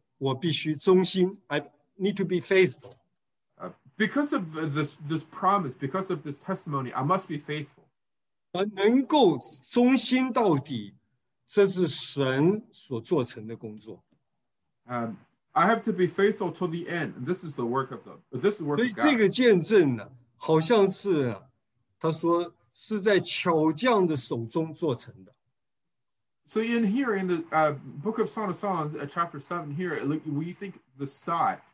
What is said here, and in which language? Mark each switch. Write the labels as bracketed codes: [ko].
[zh] 我必须忠心, [en] I need to be faithful. Because of this promise, because of this testimony, I must be faithful. [zh] 能够忠心到底, 这是神所做成的工作。 [en] I have to be faithful till the end. This is the work of God. [zh] 所以这个见证呢, 好像是, 他说, 是在巧匠的手中做成的。 [en] So in here, in the Book of Song of Songs, chapter 7 here, we think the sigh.